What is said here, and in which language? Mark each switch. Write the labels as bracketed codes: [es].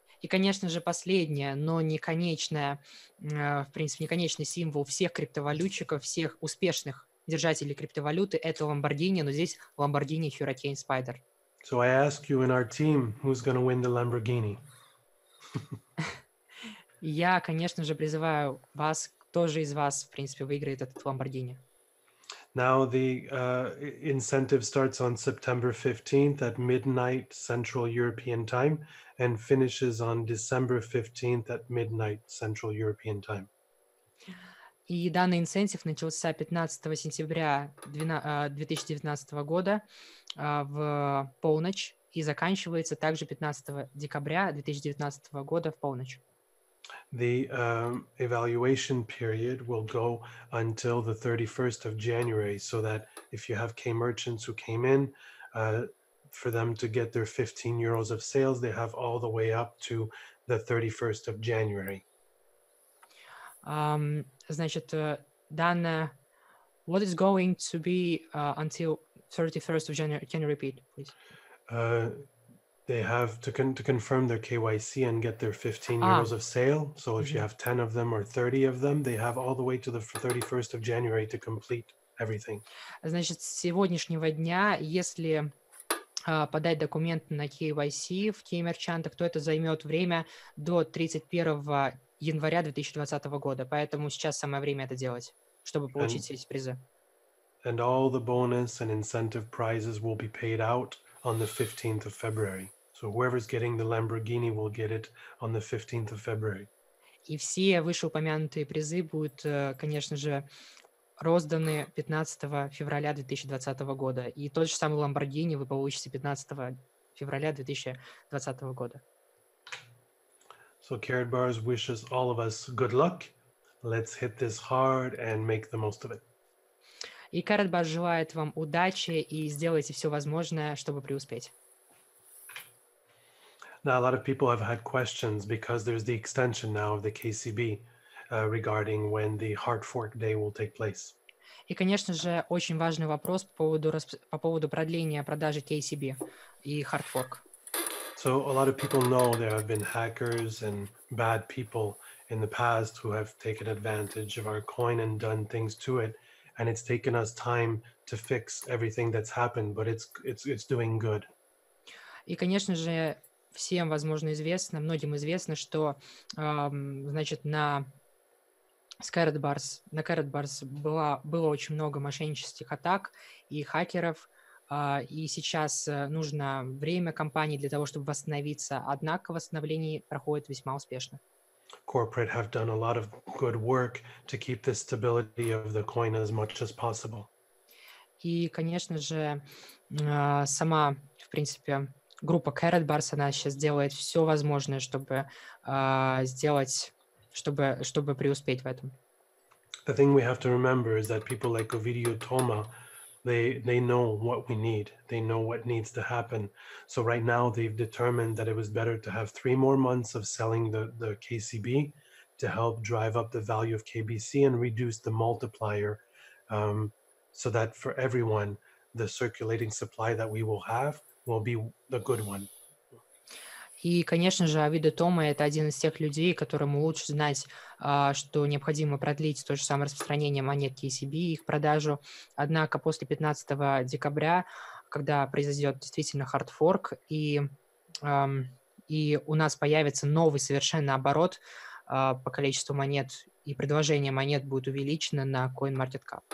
[ru] И, конечно же, последнее, но не конечное, в принципе, не конечный символ всех криптовалютчиков, всех успешных держатели криптовалюты — это Lamborghini, но здесь Lamborghini Hurricane Spider. [en] So I ask you in our team, who's going to win the Lamborghini? [ru] Я, конечно же, призываю вас, кто же из вас, в принципе, выиграет этот Lamborghini. [en] Now the incentive starts on September 15th at midnight Central European time and finishes on December 15th at midnight Central European time. [ru] И данный инцентив начался 15 сентября 2019 года в полночь и заканчивается также 15 декабря 2019 года в полночь. [en] The evaluation period will go until the 31st of January, so that if you have K-merchants who came in, for them to get their 15 euros of sales, they have all the way up to the 31st of January. [ru] Значит, [en] Дана, what is going to be until 31st of January? Can you repeat, please? They have to confirm their KYC and get their 15 euros of sale. So if you have 10 of them or 30 of them, they have all the way to the 31st of January to complete everything. [ru] Значит, с сегодняшнего дня, если подать документы на KYC в K-мерчантах, то это займет время до 31 января 2020 года. Поэтому сейчас самое время это делать, чтобы получить эти призы. [en] And all the bonus and incentive prizes will be paid out on the 15th of February. So whoever's getting the Lamborghini will get it on the 15th of February. [ru] И все вышеупомянутые призы будут, конечно же, розданы 15 февраля 2020 года. И тот же самый Lamborghini вы получите 15 февраля 2020 года. [en] So Carrot Bars wishes all of us good luck. Let's hit this hard and make the most of it. [ru] И Carrot Bars желает вам удачи и сделайте все возможное, чтобы преуспеть. [en] Now a lot of people have had questions because there's the extension now of the KCB regarding when the hard fork day will take place. [ru] И, конечно же, очень важный вопрос по поводу продления продажи KCB и hard fork. [en] So a lot of people know there have been hackers and bad people in the past who have taken advantage of our coin and done things to it, and it's taken us time to fix everything that's happened, but it's doing good. [ru] И, конечно же, всем, возможно, известно, многим известно, что, значит, на Carrotbars, было очень много мошеннических атак и хакеров, и сейчас нужно время компании для того, чтобы восстановиться. Однако восстановление проходит весьма успешно. [en] Corporate have done a lot of good work to keep the stability of the coin as much as possible. [ru] И, конечно же, сама, в принципе, группа Carrotbars, она сейчас делает все возможное, чтобы преуспеть в этом. [en] The thing we have to remember is that people like Ovidio Toma, they know what we need. They know what needs to happen. So right now they've determined that it was better to have 3 more months of selling the KCB to help drive up the value of KBC and reduce the multiplier, so that for everyone, the circulating supply that we will have will be the good one. [ru] И, конечно же, Авидо Тома — это один из тех людей, которому лучше знать, что необходимо продлить то же самое распространение монет KCB и их продажу. Однако после 15 декабря, когда произойдет действительно хардфорк, и у нас появится новый совершенно оборот по количеству монет, и предложение монет будет увеличено на CoinMarketCap.